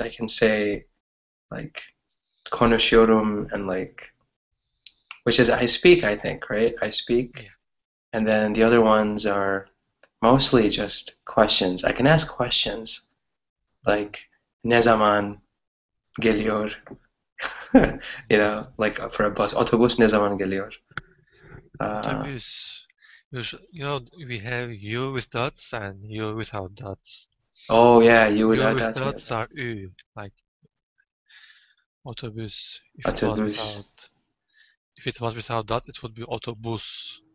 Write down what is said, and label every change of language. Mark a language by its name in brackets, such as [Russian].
[English] I can say, like, [Turkish] konuşuyorum [English] and, like, which is I speak, I think, right? I speak. And then the other ones are mostly just questions. I can ask questions, like, [Turkish] ne zaman geliyor? [English] like, for a bus, [Turkish] otobüs ne zaman geliyor? Otobüs. [English] We have you with dots and you without dots. Oh yeah, you You without with that, yeah. dots are ü, like otobüs. [Turkish] Otobüs. [English] If it was without dot, it would be otobüs.